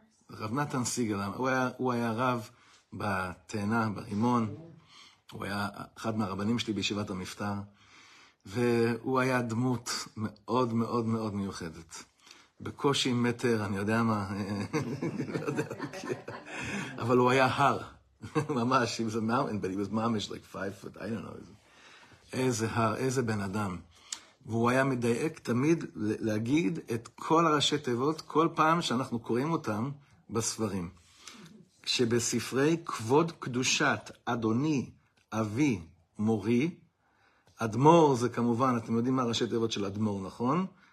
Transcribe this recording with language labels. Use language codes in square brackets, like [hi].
[he] רב נתן סיגל, הוא היה רב בתאנה, ברימון, הוא היה אחד מהרבנים שלי בישיבת המפטר, והוא היה דמות מאוד מאוד מאוד מיוחדת. בקושי מטר, אני יודע מה, אבל הוא היה הר. [en] ממש, he was a mountain, but he was mamish like 5 foot, I don't know. [he] איזה הר, איזה בן אדם. והוא היה מדייק תמיד להגיד את כל הראשי תיבות, כל פעם שאנחנו קוראים אותם בספרים. כשבספרי כבוד קדושת אדוני, אבי, מורי, אדמור זה כמובן, אתם יודעים מה הראשי תיבות של אדמור, נכון?